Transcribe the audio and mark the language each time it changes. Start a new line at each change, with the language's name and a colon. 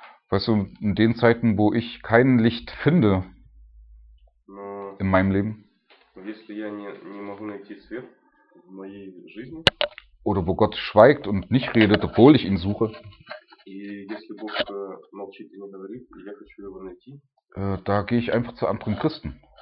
German: Weißt du, in den Zeiten, wo ich kein Licht finde, in meinem Leben,
Russian: если я не могу найти свет в моей жизни,
German: oder wo Gott schweigt und nicht redet, obwohl ich ihn suche,
Russian: и если Бог молчит и не говорит, и я хочу его найти,
German: da gehe ich einfach zu anderen Christen.